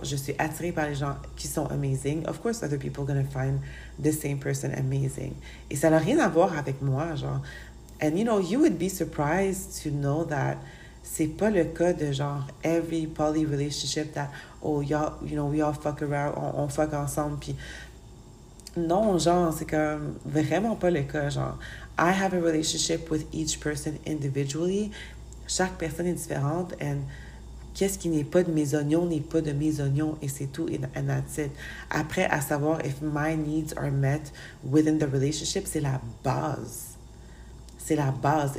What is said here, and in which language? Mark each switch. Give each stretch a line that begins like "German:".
French: Je suis attirée par les gens qui sont amazing.
English: Of course, other people are going to find the same person amazing.
French: Et ça n'a rien à voir avec moi, genre.
English: And, you know, you would be surprised to know that
French: c'est pas le cas de,
English: genre, every poly relationship that, oh, y'all, you know, we all fuck around,
French: on fuck ensemble, puis... Non, genre, c'est comme vraiment pas le cas, genre.
English: I have a relationship with each person individually.
French: Chaque personne est différente, and... Qu'est-ce qui n'est pas de mes oignons n'est pas de mes oignons et c'est tout
English: and that's it.
French: Après, à savoir
English: if my needs are met within the relationship,
French: c'est la base. C'est la base.